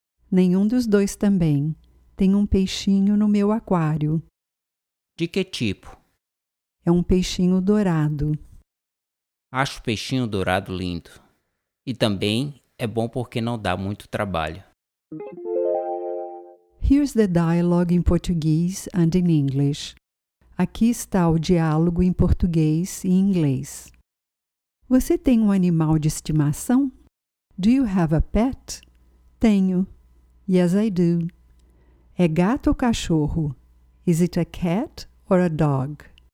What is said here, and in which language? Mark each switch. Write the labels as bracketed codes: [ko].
[pt] Nenhum dos dois também. Tem um peixinho no meu aquário. De que tipo? É um peixinho dourado. Acho o peixinho dourado lindo. E também é bom porque não dá muito trabalho. [en] Here's the dialogue in Portuguese and in English. [pt] Aqui está o diálogo em português e inglês. Você tem um animal de estimação? [en] Do you have a pet? [pt] Tenho. [en] Yes, I do. [pt] É gato ou cachorro? [en] Is it a cat or a dog?